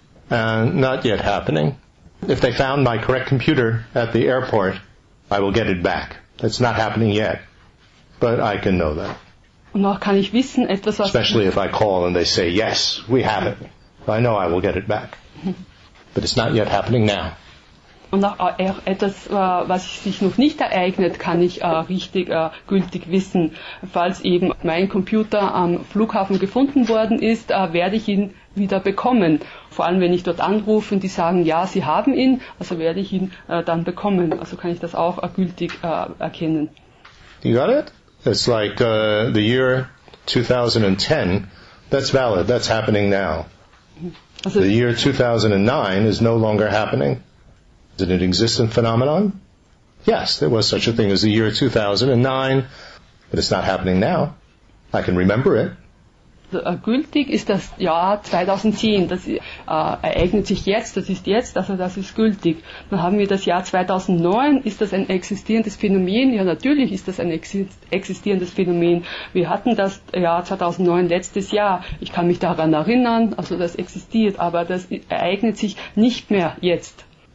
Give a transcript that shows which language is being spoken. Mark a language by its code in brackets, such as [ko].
[en] Not yet happening. If they found my correct computer at the airport, I will get it back. That's not happening yet, but I can know that. [de] Und auch kann ich wissen, etwas, was [en] especially if I call and they say, yes, we have it. I know I will get it back. But it's not yet happening now. [de] Und auch etwas, was sich noch nicht ereignet, kann ich richtig gültig wissen. Falls eben mein Computer am Flughafen gefunden worden ist, werde ich ihn wieder bekommen. Vor allem, wenn ich dort anrufe und die sagen, ja, sie haben ihn, also werde ich ihn dann bekommen. Also kann ich das auch gültig erkennen. [en] You got it? It's like the year 2010. That's valid. That's happening now. Also, the year 2009 is no longer happening. Is it an existent phenomenon? Yes, there was such a thing as the year 2009, but it's not happening now. I can remember it. [de] Gültig ist das Jahr 2010, das ereignet sich jetzt, also das ist gültig. Dann haben wir das Jahr 2009, ist das ein existierendes Phänomen? Ja, natürlich ist das ein existierendes Phänomen. Wir hatten das Jahr 2009 letztes Jahr, ich kann mich daran erinnern, also das existiert, aber das ereignet sich nicht mehr jetzt.